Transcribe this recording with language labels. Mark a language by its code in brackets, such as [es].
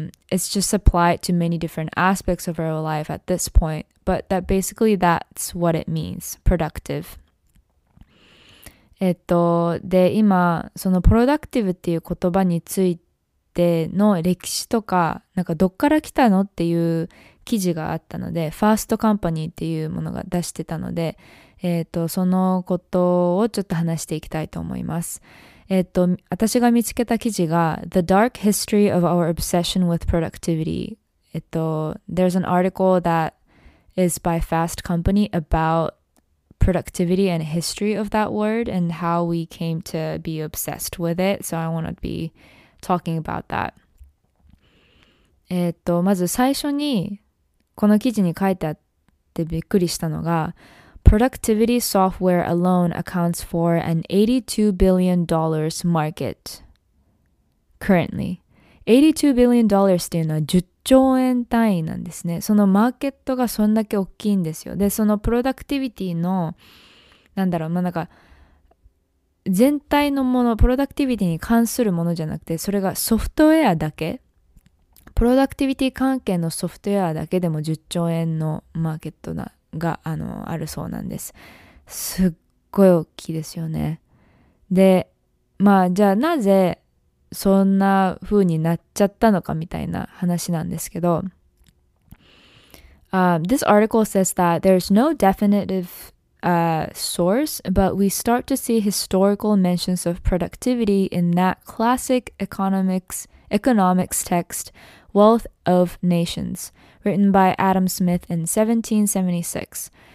[en] It's just applied to many different aspects of our life at this point. But that basically, that's what it means, productive. [ja] で、今、そのプロダクティブっていう言葉についてでの歴史とかなんかどっから来たのっていう記事があったのでファーストカンパニーっていうものが出してたのでそのことをちょっと話していきたいと思います。私が見つけた記事が [en] The Dark History of Our Obsession with Productivity There's an article that is by Fast Company about productivity and history of that word and how we came to be obsessed with it. So I want to beTalking about that. [ja] まず最初にこの記事に書いてあってびっくりしたのが [en] Productivity software alone accounts for an $82 billion market currently. [ja] $82 billion っていうのは10兆円単位なんですね。そのマーケットがそんだけ大きいんですよ。で、そのプロダクティビティのなんだろう、まあ、なんか全体のもの、プロダクティビティに関するものじゃなくて、それがソフトウェアだけ、プロダクティビティ関係のソフトウェアだけでも10兆円のマーケットが あるそうなんです。すっごい大きいですよね。で、まあじゃあなぜそんな風になっちゃったのかみたいな話なんですけど、 [en] This article says that there's no definitive source, but we start to see historical mentions of productivity in that classic economics text, Wealth of Nations, written by Adam Smith in 1776.